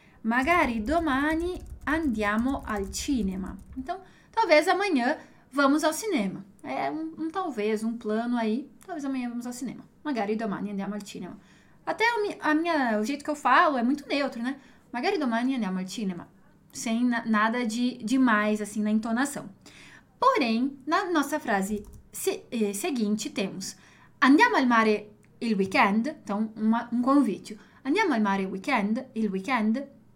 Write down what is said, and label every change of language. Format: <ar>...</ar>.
<it>Magari domani andiamo al cinema.</it> <pt>Então, talvez amanhã vamos ao cinema. É um talvez, um plano aí. Talvez amanhã vamos ao cinema.</pt> <it>Magari domani andiamo al cinema.</it> <pt>Até o jeito que eu falo é muito neutro, né?</pt> <it>Magari domani andiamo al cinema.</it> <pt>Sem nada de demais, assim, na entonação. Porém, na nossa frase seguinte, temos</pt> <it>andiamo al mare il weekend,</it> <pt>então um convite.</pt> <it>Andiamo al mare il weekend?</it>